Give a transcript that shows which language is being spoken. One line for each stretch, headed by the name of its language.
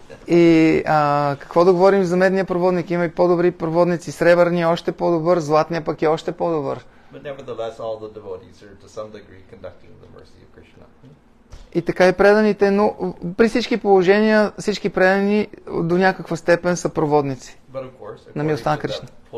Bulgarian: И какво да говорим за медния проводник? Има и по-добри проводници, сребърния още по-добър, златния пък е още по-добър.
English: But nevertheless all the devotees are to some degree conducting the mercy of Krishna.
Bulgarian: И така и преданите, но при всички положения всички предани до някаква степен са проводници на милостта на Кришна.